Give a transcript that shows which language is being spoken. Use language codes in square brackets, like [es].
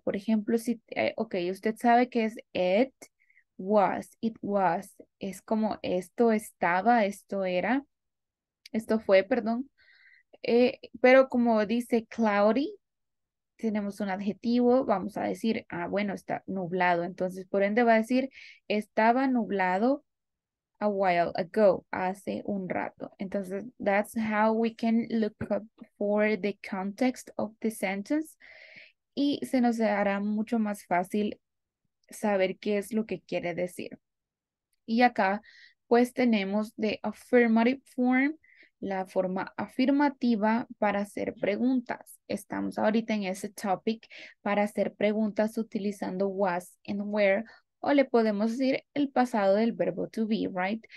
[es] Por ejemplo, si okay, usted sabe que es it was, es como esto estaba, esto era, esto fue, perdón. Pero como dice cloudy, tenemos un adjetivo, vamos a decir, ah, bueno, está nublado. Entonces, por ende va a decir, estaba nublado [en] a while ago, [es] hace un rato. [en] Entonces, that's how we can look up for the context of the sentence. [es] Y se nos hará mucho más fácil saber qué es lo que quiere decir. Y acá, pues tenemos [en] the affirmative form, [es] la forma afirmativa para hacer preguntas. Estamos ahorita en ese topic para hacer preguntas utilizando was and where, o le podemos decir el pasado del verbo to be, right?